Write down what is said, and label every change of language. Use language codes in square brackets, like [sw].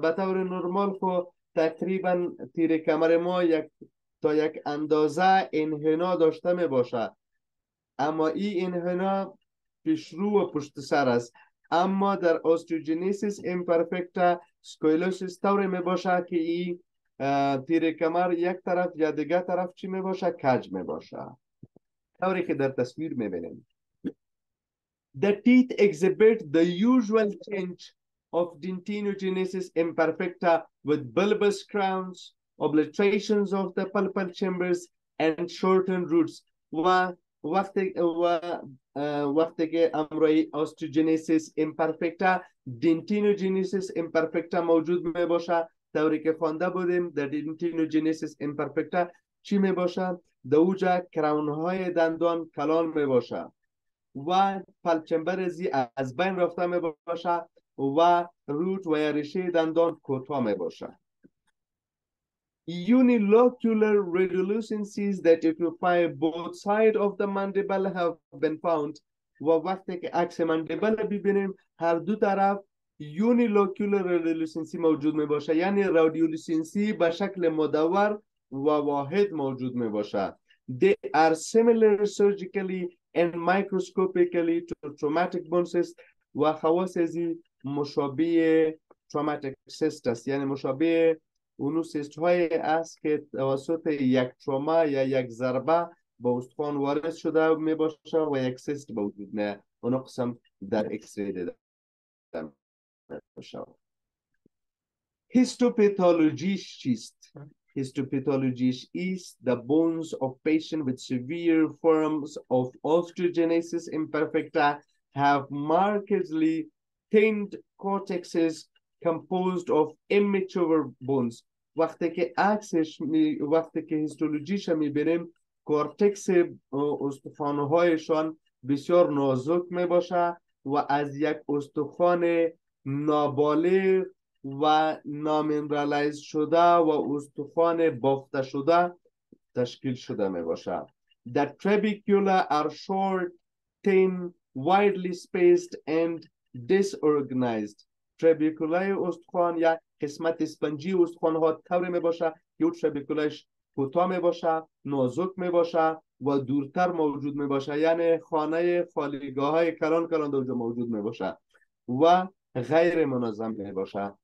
[fa] به طور نرمال که تقریبا تیر کمر ما تا یک اندازه انحنا داشته می باشه، اما این انحنا پیش رو و پشت سر است. اما در اوستیوجنسیس امپرفکتا سکولوسیس طوری می باشه که این تیر کمر یک طرف یا دیگه طرف چی می باشه؟ کج می باشه، طوری که در تصویر می بینیم. [en] The teeth exhibit the usual change of dentinogenesis imperfecta with bulbous crowns, obliterations of the pulpal chambers, and shortened roots. [fa] وقتی که امروی osteogenesis imperfecta, dentinogenesis imperfecta موجود می باشه، طوری که خوانده بودیم در dentinogenesis imperfecta چی می باشه؟ دوجا کراون های دندان کلان می باشه و پلچمبر از بین رفته می باشه و روت و یا ریشه دندان کوتاه می باشد. [en] Unilocular radiolucencies that occupy both sides of the mandible have been found. [fa] و وقتی که عکس مندبل ببینیم هر دو طرف unilocular radiolucency موجود می باشد. یعنی radiolucency به شکل مدور و واحد موجود می باشد. [en] They are similar surgically and microscopically to traumatic bone cysts. [fa] و خواص ازی مشابه traumatic cyst است. یعنی مشابه اونو سیست هایی است که توسط یک تروما یا یک ضربه با استخوان وارد شده می باشه و یک سیست با وجود نه اونو قسم در اکسری دیده باشه. هیستوپیتولوژیش چیست؟ هیستوپیتولوژیش [en] is the bones of patients with severe forms of osteogenesis imperfecta have markedly thinned cortexes composed of immature bones. [fa] وقتی که عکسش می وقتی که هیستولوژیش می بینیم کورتکس استخوانهایشان بسیار نازک می باشه و از یک استخوان نابالغ و نامینرالایز شده و استخوان بافته شده تشکیل شده می باشه. [en] The trabecula are short, thin, widely spaced and disorganized. [fa] تربیکولای استخوان یا قسمت اسپنجی استخوان ها طوری می باشه که تربیکولایش کوتاه می باشه، نازک می باشه و دورتر موجود می باشه، یعنی خانه فالیگاه های کلان کلان در اونجا موجود می باشه و غیر منظم می باشه.